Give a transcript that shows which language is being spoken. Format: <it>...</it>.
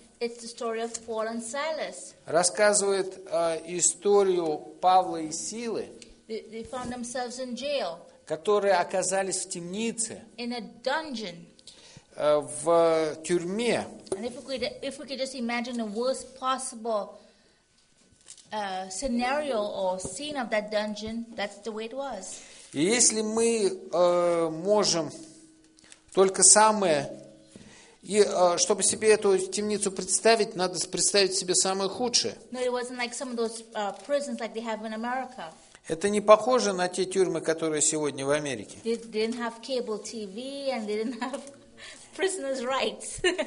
<en>It's the story of Paul and Silas.</en> <ru>Рассказывает историю Павла и Силы.</ru> <en>They found themselves in jail.</en> <ru>Которые оказались в темнице.</ru> <en>In a dungeon.</en> <ru>В тюрьме.</ru> <en>And if we could just imagine the worst possible scenario or scene of that dungeon, that's the way it was.</en> <ru>И если мы можем только самое, и чтобы себе эту темницу представить, надо представить себе самое худшее.</ru> <en>No, it wasn't like some of those prisons like they have in America.</en> <ru>Это не похоже на те тюрьмы, которые сегодня в Америке.</ru> <en>They didn't have cable TV and they didn't have prisoners' rights.</en>